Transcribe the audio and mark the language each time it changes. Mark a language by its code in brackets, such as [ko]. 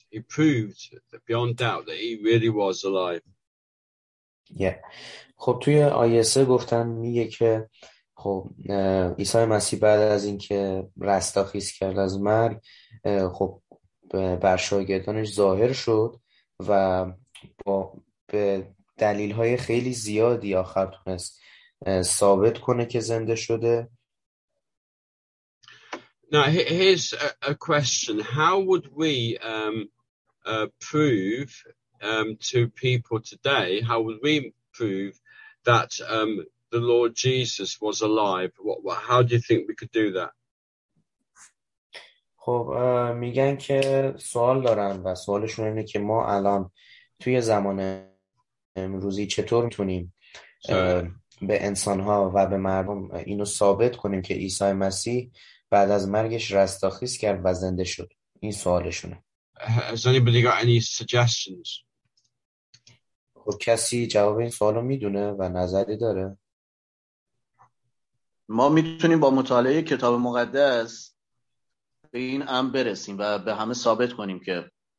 [en] He proved beyond doubt that he really was alive. Yeah. [fa] خب توی آیه 3 گفتن میگه که خب عیسی مسیح بعد از اینکه رستاخیز کرد از مرگ خب بر شاگردانش ظاهر شد و به دلیل های خیلی زیادی آخر تونست ثابت کنه که زنده شده. [en] Now here's a question. How would we prove to people today, how would we prove that the Lord Jesus was alive? How do you think we could do that? [fa] خب میگن که سوال دارن و سوالشون اینه که ما الان توی زمان امروزی چطور میتونیم به انسانها و به مردم اینو ثابت کنیم که عیسی مسیح بعد از مرگش رستاخیز کرد و زنده شد. این سوالشونه. [en] Has anybody got any suggestions? [fa] خب کسی جواب این سوالو میدونه و نظری داره؟ ما میتونیم با مطالعه کتاب مقدس به این امر برسیم و به همه ثابت کنیم که